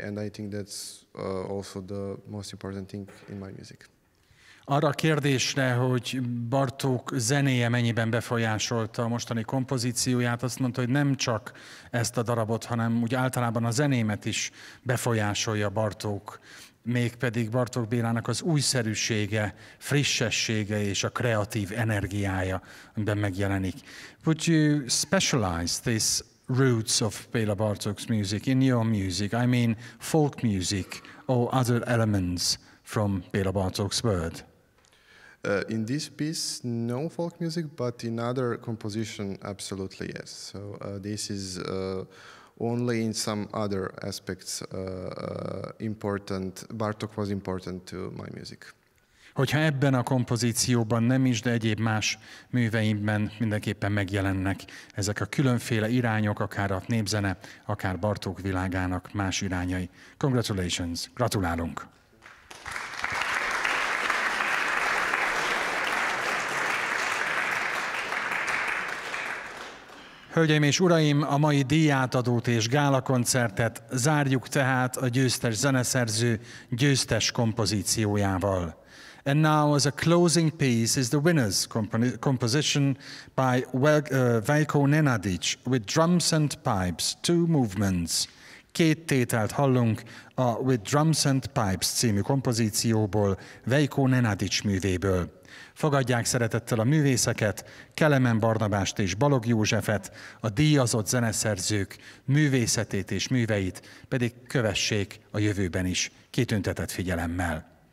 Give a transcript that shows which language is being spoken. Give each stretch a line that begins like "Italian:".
English: And I think that's also the most important thing in my music.
Hungarian: Arra a kérdésre, hogy Bartók zenéje mennyiben befolyásolta a mostani kompozícióját, azt mondta, hogy nem csak ezt a darabot, hanem úgy általában a zenémet is befolyásolja Bartók, mégpedig Bartók Bélának az újszerűsége, frissessége és a kreatív energiája, amiben megjelenik.
English: Would you specialize this roots of Béla Bartók's music in your music? I mean folk music or other elements from Béla Bartók's world? In this piece, no folk music, but in other composition, absolutely yes. So this is only in some other aspects important. Bartók was important to my music.
Hungarian: Hogyha ebben a kompozícióban nem is, de egyéb más műveimben mindenképpen megjelennek ezek a különféle irányok, akár a népzene, akár Bartók világának más irányai.
English: Congratulations!
Hungarian: Gratulálunk! Hölgyeim és uraim, a mai díjátadót és gálakoncertet zárjuk tehát a győztes zeneszerző győztes kompozíciójával.
English: And now as a closing piece is the winner's composition by Veljko Nenadić with drums and pipes, two movements.
Hungarian: Két tételt hallunk a With Drums and Pipes című kompozícióból, Veljko Nenadić művéből. Fogadják szeretettel a művészeket, Kelemen Barnabást és Balog Józsefet, a díjazott zeneszerzők művészetét és műveit, pedig kövessék a jövőben is kitüntetett figyelemmel.